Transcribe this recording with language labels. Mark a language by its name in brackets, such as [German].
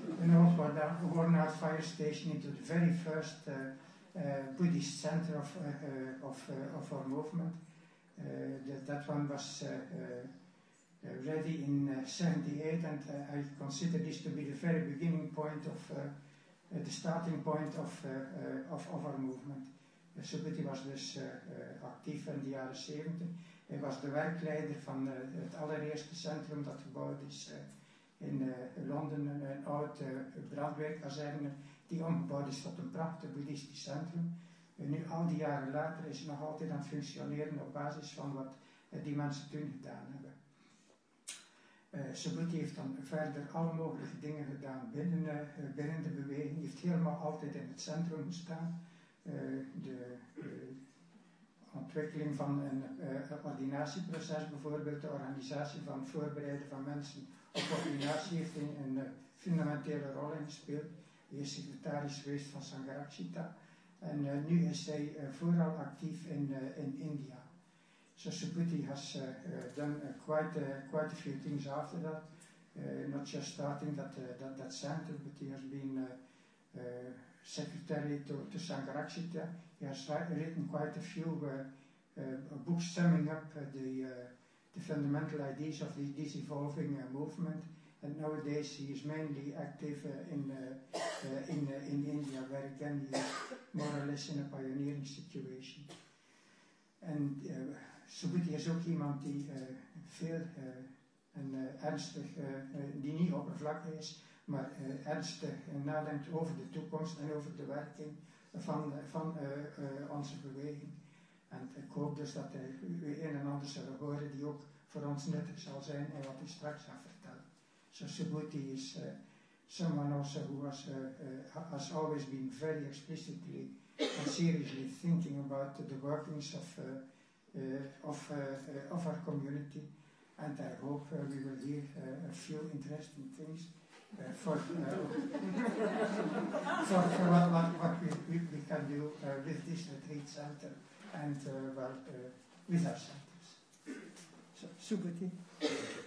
[English] An old worn out fire station into the very first Buddhist center of our movement. That one was ready in 78, and I consider this to be the very beginning point of the starting point of our movement. [Dutch] So Buddy was dus actief in de jaren 70. Hij was de werkleider van het allereerste centrum dat gebouwd is in Londen, een oud brandweerkazerne die omgebouwd is tot een prachtig boeddhistisch centrum. En nu, al die jaren later, is het nog altijd aan het functioneren op basis van wat die mensen toen gedaan hebben. Subhuti heeft dan verder alle mogelijke dingen gedaan binnen de beweging. Hij heeft helemaal altijd in het centrum gestaan. De ontwikkeling van een ordinatieproces bijvoorbeeld, de organisatie van het voorbereiden van mensen op ordinatie, heeft een fundamentele rol in gespeeld. Hij is secretaris geweest van Sangharakshita en nu is hij vooral actief in India. [English] So Subhuti has done quite a few things after that, not just starting that center, but he has been secretary to Sangharakshita. He has written quite a few books summing up the fundamental ideas of this evolving movement. And nowadays he is mainly active in India, where again he is more or less in a pioneering situation. [Dutch] And Subhuti is ook iemand die veel en ernstig, die niet oppervlakkig is, maar ernstig nadenkt over de toekomst en over de werking van onze beweging. En ik hoop dus dat u een en ander zullen horen die ook voor ons nuttig zal zijn en wat hij straks gaat vertellen. [English] So Subhuti is someone also who has always been very explicitly and seriously thinking about the workings of our community, And I hope we will hear a few interesting things for what we can do with this retreat center and with our centers. So, super team.